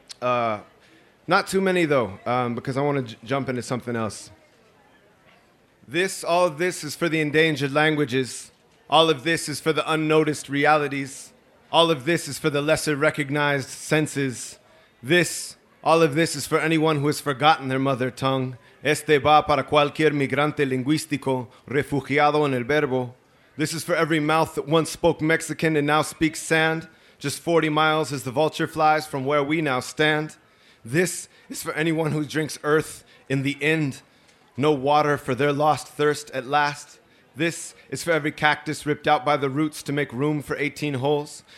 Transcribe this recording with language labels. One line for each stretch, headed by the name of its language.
English: Not too many, though, because I want to jump into something else. This, all of this is for the endangered languages. All of this is for the unnoticed realities. All of this is for the lesser recognized senses. This, all of this is for anyone who has forgotten their mother tongue.
Spanish: Este va para cualquier migrante lingüístico, refugiado en el verbo.
English: This is for every mouth that once spoke Mexican and now speaks sand. Just 40 miles as the vulture flies from where we now stand. This is for anyone who drinks earth in the end. No water for their lost thirst at last. This is for every cactus ripped out by the roots to make room for 18 holes.